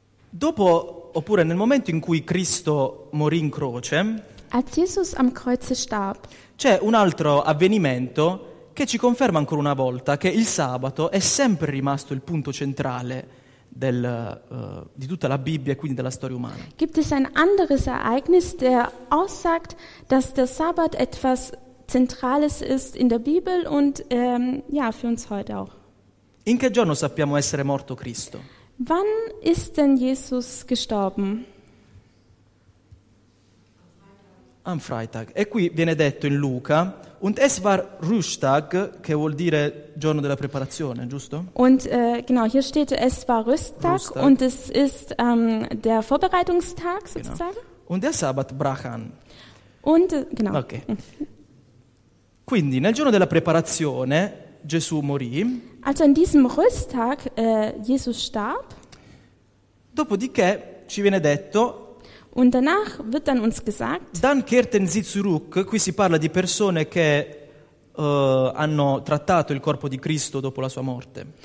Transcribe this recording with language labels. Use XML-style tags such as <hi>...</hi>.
<it>Dopo oppure nel momento in cui Cristo morì in croce,</it> <de>als Jesus am Kreuze starb,</de> <it>c'è un altro avvenimento che ci conferma ancora una volta che il sabato è sempre rimasto il punto centrale di tutta la Bibbia e quindi della storia umana.</it> <de>Gibt es ein anderes Ereignis, der aussagt, dass der Sabbat etwas Zentrales ist in der Bibel und für uns heute auch.</de> <it>In che giorno sappiamo essere morto Cristo?</it> <de>Wann ist denn Jesus gestorben? Am Freitag.</de> <it>E qui viene detto in Luca,</it> <de>und es war Ruhestag,</de> <it>che vuol dire giorno della preparazione, giusto?</it> <de>Und hier steht, es war Ruhestag, und es ist der Vorbereitungstag sozusagen. Genau. Und der Sabbat brach an. Und genau. Okay.</de> <it>Quindi nel giorno della preparazione Gesù morì.</it> <de>Also in diesem Ruhestag Jesus starb.</de> <it>Dopodiché ci viene detto.</it> <de>Und danach wird dann uns gesagt. Dann kehrten sie zurück.</de> <it>Qui si parla di persone che hanno trattato il corpo di Cristo dopo la sua morte.</it>